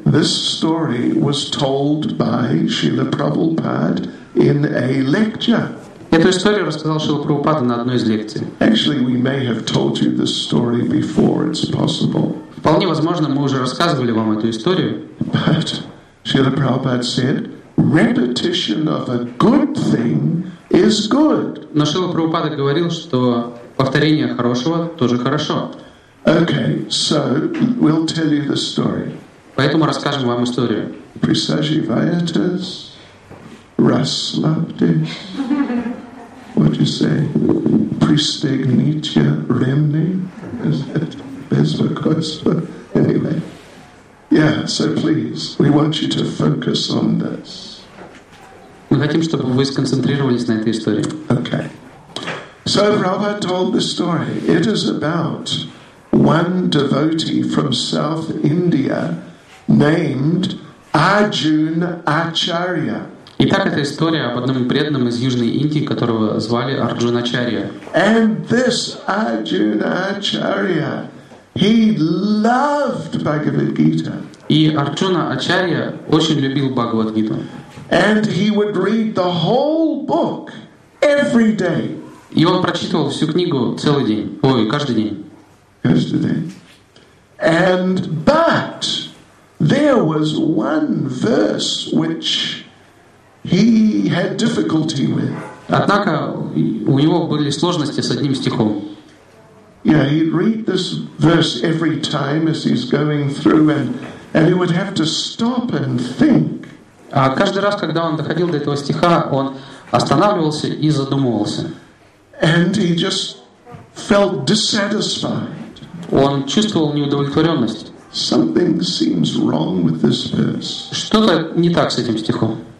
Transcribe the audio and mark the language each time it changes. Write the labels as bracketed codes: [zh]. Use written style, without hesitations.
[en] This story was told by Srila Prabhupada in a lecture. [ru] Эту историю рассказал Шрила Прабхупада на одной из лекций. [en] Actually, we may have told you this story before, it's possible. [ru] Вполне возможно, мы уже рассказывали вам эту историю. [en] But Srila Prabhupada said, repetition of a good thing is good. [ru] Но Шрила Прабхупада говорил, что повторение хорошего тоже хорошо. [en] Okay, so we'll tell you the story. [ru] Поэтому расскажем вам историю. Присаживайтесь, расслабьтесь. [en] What do you say? [ru] Пристегните ремни. [en] Is it безбокойство? Anyway. Yeah, so please, we want you to focus on this. [ru] Мы хотим, чтобы вы сконцентрировались на этой истории. [en] Okay. So Prabhupada told the story. It is about one devotee from South India named Arjun Acharya. [ru] Итак, это история об одном преданном из Южной Индии, которого звали Арджун Ачарья. [en] And this Arjun Acharya, he loved Bhagavad Gita. [ru] И Арджуна Ачарья очень любил Бхагавад Гиту. [en] And he would read the whole book every day. [ru] И он прочитывал всю книгу целый день. Ой, каждый день. Каждый день. [en] And but there was one verse which he had difficulty with. [ru] Однако у него были сложности с одним стихом. [en] Yeah, he'd read this verse every time as he's going through, and he would have to stop and think. [ru] А каждый раз, когда он доходил до этого стиха, он останавливался и задумывался. [en] And he just felt dissatisfied. [ru] Он чувствовал неудовлетворенность. [en] Something seems wrong with this verse. [ru] Что-то не так с этим стихом.